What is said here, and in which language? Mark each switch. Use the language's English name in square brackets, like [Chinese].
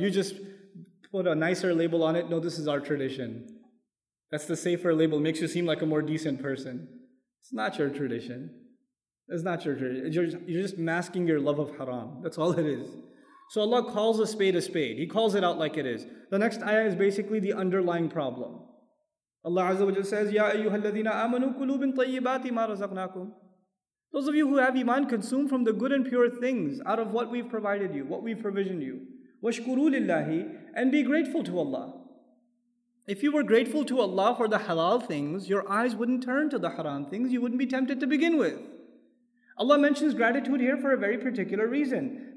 [English] You just put a nicer label on it. No, this is our tradition. That's the safer label. Makes you seem like a more decent person. It's not your tradition. It's not your tradition. You're just masking your love of haram. That's all it is. So Allah calls a spade a spade. He calls it out like it is. The next ayah is basically the underlying problem. Allah Azza wa Jalla says, [Arabic] يَا أَيُّهَا الَّذِينَ آمَنُوا كُلُوا مِن طَيِّبَاتِ مَا رَزَقْنَاكُمْ. [English] Those of you who have iman, consume from the good and pure things out of what we've provided you, what we've provisioned you. [Arabic] وَشْكُرُوا لِلَّهِ. [English] And be grateful to Allah. If you were grateful to Allah for the halal things, your eyes wouldn't turn to the haram things. You wouldn't be tempted to begin with. Allah mentions gratitude here for a very particular reason.